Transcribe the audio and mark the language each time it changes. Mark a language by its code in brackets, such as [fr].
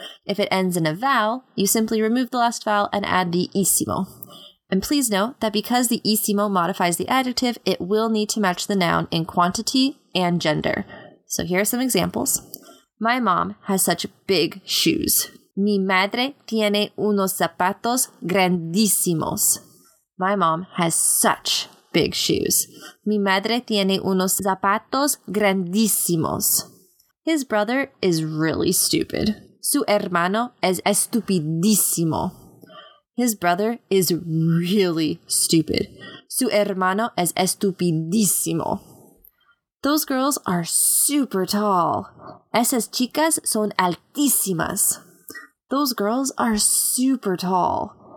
[en] If it ends in a vowel, you simply remove the last vowel and add the ísimo. And please note that because the ísimo modifies the adjective, it will need to match the noun in quantity and gender. So here are some examples. My mom has such big shoes. [es] Mi madre tiene unos zapatos grandísimos. [en] My mom has such big shoes. [es] Mi madre tiene unos zapatos grandísimos. [en] His brother is really stupid. [es] Su hermano es estupidísimo. [en] His brother is really stupid. [es] Su hermano es estupidísimo. [en] Those girls are super tall. [es] Esas chicas son altísimas. [en] Those girls are super tall.